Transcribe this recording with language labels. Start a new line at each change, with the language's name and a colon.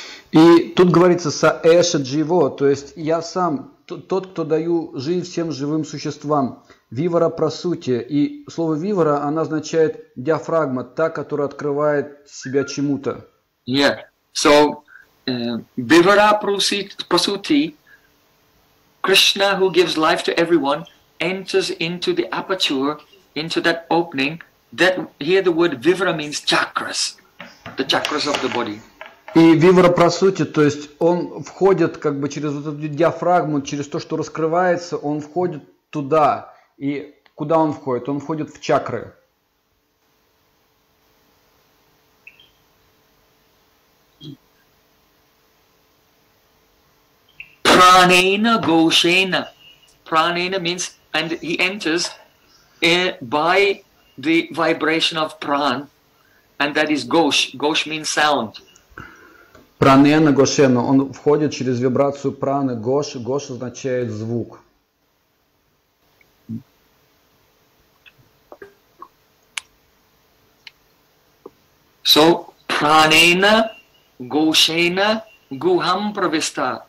Russian: И тут говорится
Sanskrit: са эша дживо,
Russian: то есть я сам, тот, кто даю жизнь всем живым существам.
Sanskrit: Вивара прасути.
Russian: И слово вивара, она означает диафрагма, та, которая открывает себя чему-то.
English: Yeah. So,
Sanskrit: vivara prasuti,
English: Krishna, who gives life to everyone, enters into the aperture, into that opening. That, here the word vivara means chakras, the chakras of the body.
Russian: И вивара прасути, то есть он входит как бы через вот эту диафрагму, через то, что раскрывается, он входит туда. И куда он входит? Он входит в чакры.
Sanskrit: Pranena goshena.
English: Pranena means, and he enters by the vibration of pran, and that is gosh. Gosh means sound.
Sanskrit: Пранена гошена,
Russian: он входит через вибрацию праны, гош, гош означает звук.
Sanskrit: So, пранена гошена гухам прависта.